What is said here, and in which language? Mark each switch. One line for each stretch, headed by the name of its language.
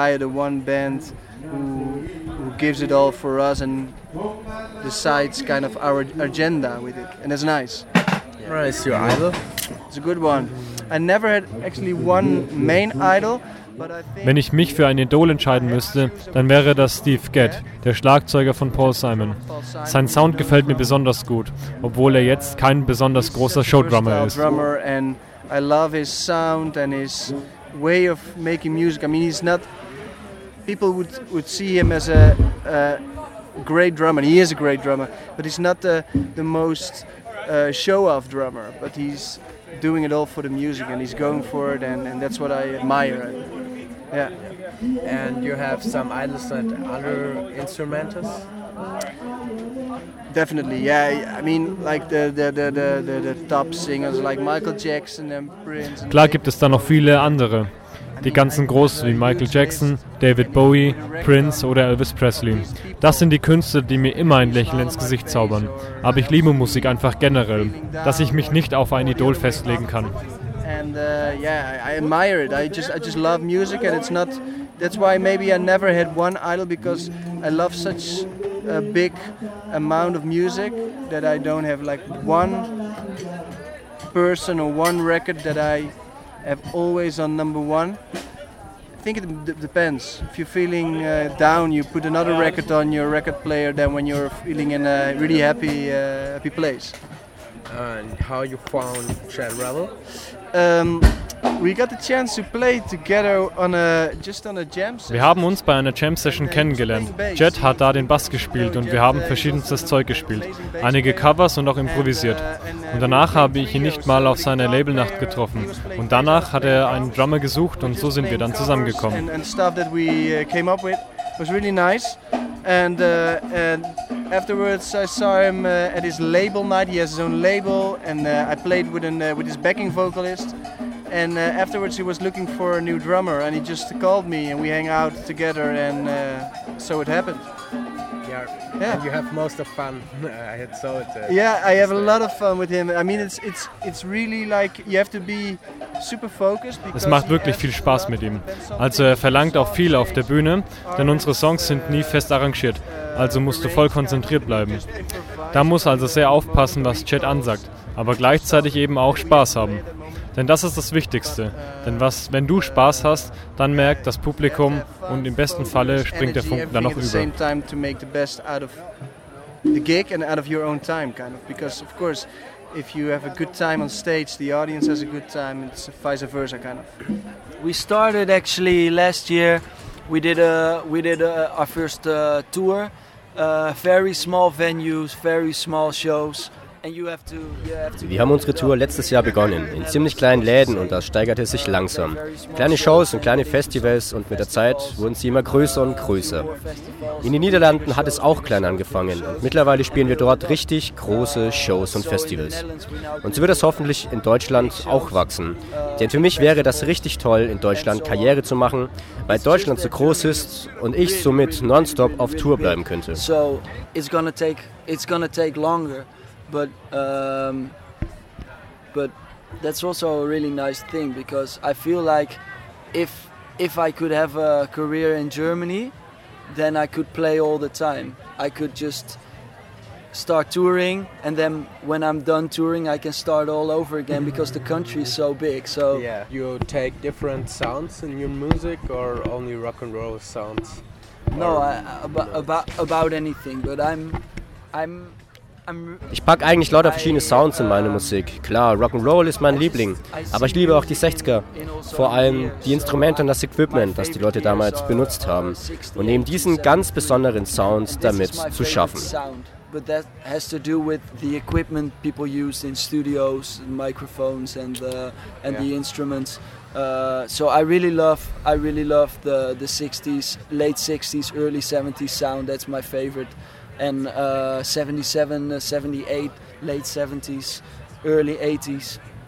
English: Who gives it all for us and decides kind of our agenda with it. And it's nice. Where is your idol? It's a good one. I never had actually one main idol, but I think.
German: Wenn ich mich für ein Idol entscheiden müsste, dann wäre das Steve Gadd, der Schlagzeuger von Paul Simon. Sein Sound gefällt mir besonders gut, obwohl er jetzt kein besonders großer Showdrummer ist.
English: And I love his sound and his way of making music. I mean, he's not. People would see him as a great drummer. He is a great drummer, but he's not the most show-off drummer. But he's doing it all for the music, and he's going for it, and that's what I admire. Yeah. And you have some idols and other instrumentists? Definitely, yeah. I mean, like the top singers like Michael Jackson and Prince.
German: Klar gibt es da noch viele andere. Die ganzen Großen wie Michael Jackson, David Bowie, Prince oder Elvis Presley. Das sind die Künstler, die mir immer ein Lächeln ins Gesicht zaubern. Aber ich liebe Musik einfach generell, dass ich mich nicht auf ein Idol festlegen kann.
English: And yeah, I admire it. I just love music and it's not. That's why maybe I never had one idol, because I love such a big amount of music that I don't have like one person or one record that I have always on number one. I think it depends. If you're feeling down, you put another record on your record player than when you're feeling in a really happy happy place. And how you found Jet Rebel? We got the chance to play together on a jam session.
German: Wir haben uns bei einer Jam Session kennengelernt. Jet hat da den Bass gespielt und wir haben verschiedenstes Zeug gespielt. Einige Covers und auch improvisiert. Und danach habe ich ihn nicht mal auf seiner Labelnacht getroffen. Und danach hat er einen Drummer gesucht und so sind wir dann zusammengekommen.
English: And stuff that we came up with was really nice. And afterwards I saw him at his label night. He has his own label and I played with his backing vocalist. And afterwards he was looking for a new drummer and he just called me and we hang out together and so it happened. Yeah. And you have most of fun. I had so it. I have a lot of fun with him. I mean, it's really like you have to be super focused.
German: Es macht wirklich viel Spaß mit ihm. Also er verlangt auch viel auf der Bühne, denn unsere Songs sind nie fest arrangiert. Also musst du voll konzentriert bleiben. Da muss also sehr aufpassen, was Chet ansagt, aber gleichzeitig eben auch Spaß haben. Denn das ist das Wichtigste. Denn was, wenn du Spaß hast, dann merkt das Publikum und im besten Falle springt der Funken dann noch über.
English: If you have a good time on stage, the audience has a good time, it's vice versa, kind of. We started actually last year, we did our first tour, very small venues, very small shows.
German: Wir haben unsere Tour letztes Jahr begonnen, in ziemlich kleinen Läden und das steigerte sich langsam. Kleine Shows und kleine Festivals und mit der Zeit wurden sie immer größer und größer. In den Niederlanden hat es auch klein angefangen und mittlerweile spielen wir dort richtig große Shows und Festivals. Und so wird das hoffentlich in Deutschland auch wachsen. Denn für mich wäre das richtig toll, in Deutschland Karriere zu machen, weil Deutschland so groß ist und ich somit nonstop auf Tour bleiben könnte.
English: So, it's gonna take longer. But that's also a really nice thing because I feel like if I could have a career in Germany, then I could play all the time. I could just start touring and then when I'm done touring, I can start all over again because the country is so big. So yeah, you take different sounds in your music or only rock and roll sounds? No, about anything. But I'm.
German: Ich packe eigentlich lauter verschiedene Sounds in meine Musik. Klar, Rock'n'Roll ist mein Liebling, aber ich liebe auch die 60er. Vor allem die Instrumente und das Equipment, das die Leute damals benutzt haben. Und eben diesen ganz besonderen Sound damit zu schaffen.
English: But that has to do with the equipment people use in studios, microphones and the instruments. So I really love the 60s, late 60s, early 70s sound. That's my favorite. And 77, 78, late 70s, early 80s.